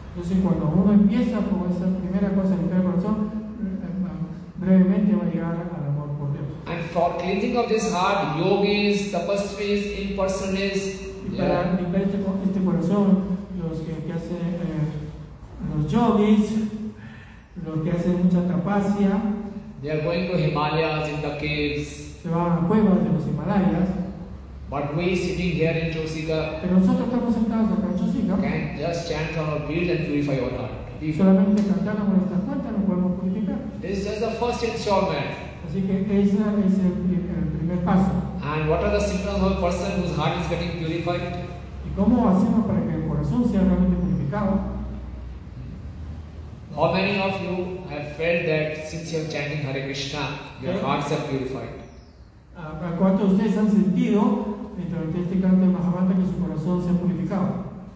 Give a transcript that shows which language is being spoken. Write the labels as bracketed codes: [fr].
[es] Entonces, cuando uno empieza con esa primera cosa en el corazón, brevemente va a llegar al amor por Dios. [en] And for cleansing of this heart, yogis, tapasvis, impersonalists. [es] Y para limpiar este corazón, los que hacen los yogis, los que hacen mucha tapasya, [en] they are going to Himalayas in the caves. [es] Se van a cuevas de los Himalayas. [en] But we sitting here in Chosica. [es] Pero nosotros estamos sentados acá en Chosica. [en] Can just chant our beads and purify our heart. [es] Y solamente cantando con estas cuantas nos podemos purificar. [en] This is just the first installment. [es] Así que ese es el primer paso. [en] And what are the symptoms of a person whose heart is getting purified? [es] ¿Y cómo hacemos para que el corazón sea realmente purificado? [en] How many of you have felt that since you are chanting Hare Krishna, your hearts are purified? [es] ¿A cuántos de ustedes han sentido mientras usted está cantando el Mahamantra que su corazón se ha purificado?